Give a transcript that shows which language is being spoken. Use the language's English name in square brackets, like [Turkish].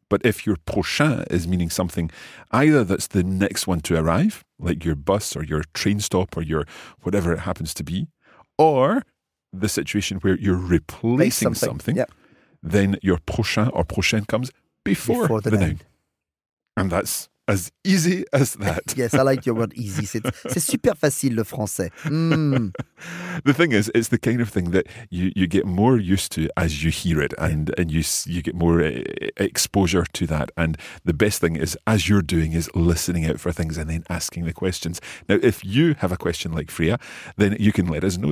[English] But if your prochain is meaning something either that's the next one to arrive, like your bus or your train stop or your whatever it happens to be, or the situation where you're replacing something. Then your prochain or prochaine comes before the noun. And that's as easy as that. Yes, I like your word easy. [French] C'est super facile, le français. [English] The thing is, it's the kind of thing that you get more used to as you hear it and you get more exposure to that. And the best thing is, as you're doing, is listening out for things and then asking the questions. Now, if you have a question like Freya, then you can let us know.